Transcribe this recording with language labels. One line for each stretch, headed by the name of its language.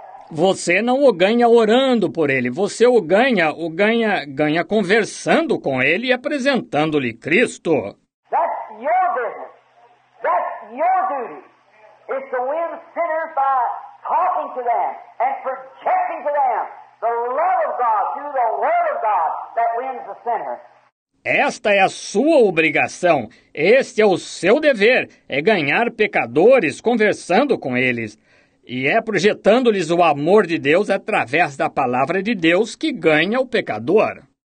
Portuguese: Você não o ganha orando por ele. Você o ganha conversando com ele e apresentando-lhe Cristo.
English: That's your business. That's your duty. It's to win sinners by talking to them and projecting to them the love of God through the word of God that wins the sinner.
Portuguese: Esta é a sua obrigação. Este é o seu dever. É ganhar pecadores conversando com eles. E é projetando-lhes o amor de Deus através da palavra de Deus que ganha o pecador.